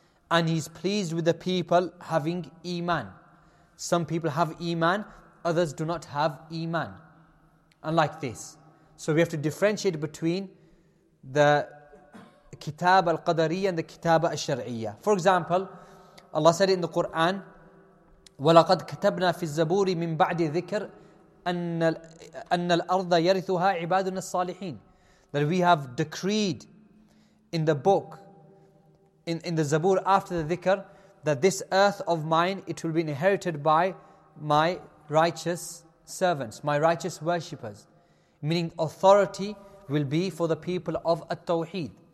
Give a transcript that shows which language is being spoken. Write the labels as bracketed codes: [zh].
[en] And He's pleased with the people having iman. Some people have iman, others do not have iman. And like this. So we have to differentiate between the Kitab al-Qadariyah and the Kitab al-Shar'iyah. For example, Allah said in the Quran, [ar] وَلَقَدْ كَتَبْنَا فِي الزَّبُورِ مِنْ بَعْدِ ذِكْرِ أَنَّ الْأَرْضَ يَرِثُهَا عِبَادُنَا الصَّالِحِينَ. [en] That we have decreed in the book, in the Zabur after the dhikr, that this earth of mine, it will be inherited by my righteous servants, my righteous worshippers. Meaning authority will be for the people of At-Tawheed.